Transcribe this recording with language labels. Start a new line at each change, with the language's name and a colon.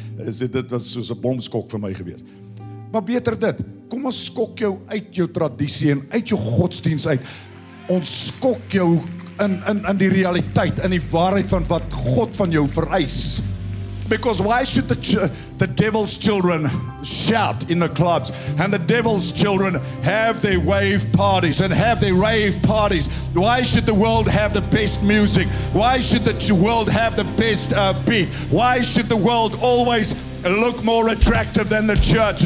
Afrikaans: En sê, dit was soos 'n bomskok vir my geweest. Maar beter dit, kom ons skok jou uit jou traditie en uit jou godsdienst uit. Ons skok jou in die realiteit, in die waarheid van wat God van jou vereis.
English: Because why should the devil's children shout in the clubs, and the devil's children have their wave parties and have their rave parties? Why should the world have the best music? Why should the world have the best beat? Why should the world always look more attractive than the church?